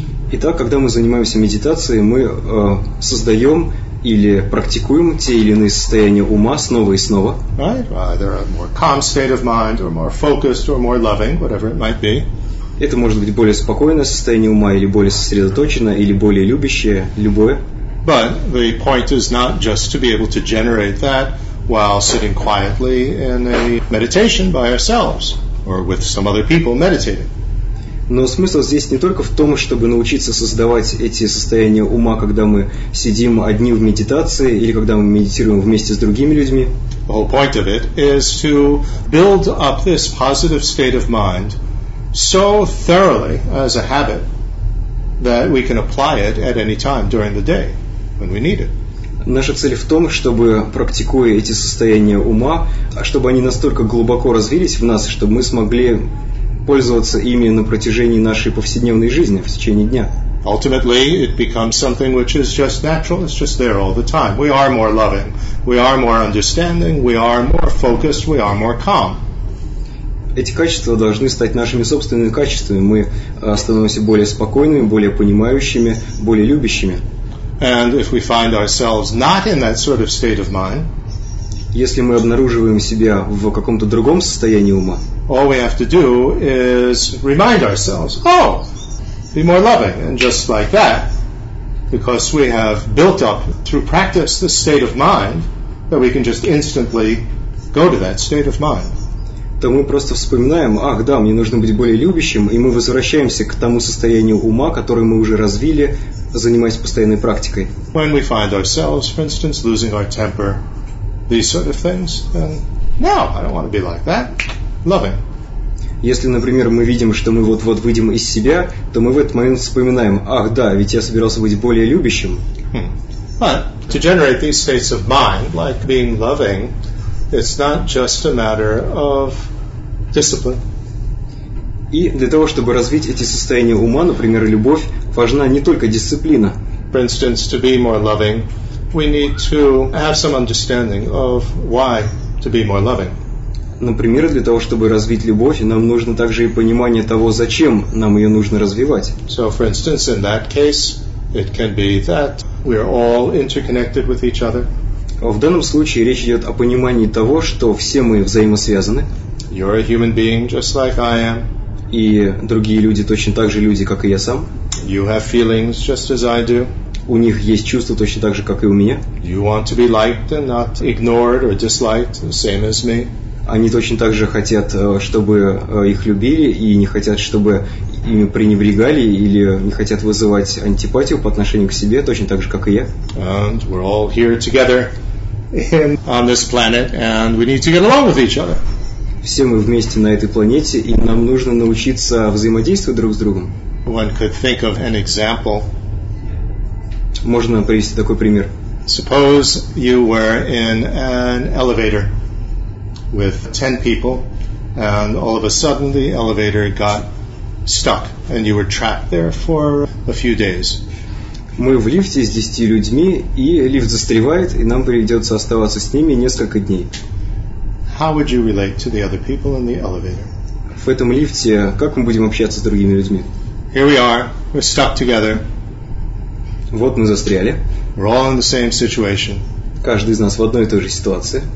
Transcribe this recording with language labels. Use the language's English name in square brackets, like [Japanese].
[Russian] Итак, когда мы занимаемся медитацией, мы создаем или практикуем те или иные состояния ума снова и снова. [English] Right? Either a more calm state of mind, or more focused, or more loving, whatever it might be. [Russian] Это может быть более спокойное состояние ума, или более сосредоточенное, или более любящее, любое. [English] But the point is not just to be able to generate that while sitting quietly in a meditation by ourselves, or with some other people meditating. [Russian] Но смысл здесь не только в том, чтобы научиться создавать эти состояния ума, когда мы сидим одни в медитации или когда мы медитируем вместе с другими людьми. [English] The whole point of it is to build up this positive state of mind so thoroughly as a habit that we can apply it at any time during the day when we need it. [Russian] Наша цель в том, чтобы, практикуя эти состояния ума, чтобы они настолько глубоко развились в нас, чтобы мы смогли пользоваться ими на протяжении нашей повседневной жизни, в течение дня. [English] ultimately it becomes something which is just natural. It's just there all the time. We are more loving. We are more understanding. We are more focused. We are more calm. [Russian] Эти качества должны стать нашими собственными качествами. Мы становимся более спокойными, более понимающими, более любящими. [English] And if we find ourselves not in that sort of state of mind, [Russian] если мы обнаруживаем себя в каком-то другом состоянии ума, [English] all we have to do is remind ourselves, oh, be more loving, and just like that, because we have built up through practice this state of mind, that we can just instantly go to that state of mind. [Russian] То мы просто вспоминаем, ах да, мне нужно быть более любящим, и мы возвращаемся к тому состоянию ума, которое мы уже развили, занимаясь постоянной практикой. [English] When we find ourselves, for instance, losing our temper, these sort of things, then, no, I don't want to be like that. Loving. [Russian] Если, например, мы видим, что мы вот-вот выйдем из себя, то мы в этот момент вспоминаем, ах да, ведь я собирался быть более любящим. [English] But to generate these states of mind, like being loving, it's not just a matter of discipline. [Russian] И для того, чтобы развить эти состояния ума, например, любовь, важна не только дисциплина. [English] For instance, to be more loving, we need to have some understanding of why to be more loving. [Russian] Например, для того, чтобы развить любовь, нам нужно также и понимание того, зачем нам ее нужно развивать. [English] So, for instance, in that case, it can be that we are all interconnected with each other. [Russian] В данном случае речь идет о понимании того, что все мы взаимосвязаны. [English] You're a human being, just like I am. [Russian] И другие люди точно так же люди, как и я сам. [English] You have feelings, just as I do. [Russian] У них есть чувства точно так же, как и у меня. [English] You want to be liked and not ignored or disliked, the same as me. [Russian] Они точно так же хотят, чтобы их любили, и не хотят, чтобы ими пренебрегали, или не хотят вызывать антипатию по отношению к себе, точно так же, как и я. [English] And we're all here together on this planet, and we need to get along with each other. [Russian] Все мы вместе на этой планете, и нам нужно научиться взаимодействовать друг с другом. [English] One could think of an example. [Russian] Можно привести такой пример. [English] Suppose you were in an elevator with 10 people, and all of a sudden the elevator got stuck, and you were trapped there for a few days. [Russian] Мы в лифте с 10 людьми, и лифт застревает, и нам придется оставаться с ними несколько дней. [English] How would you relate to the other people in the elevator? [Russian] В этом лифте как мы будем общаться с другими людьми? [English] Here we are, we're stuck together. [Russian] Вот мы застряли. [English] We're all in the same situation. [Russian] Каждый из нас в одной и той же ситуации.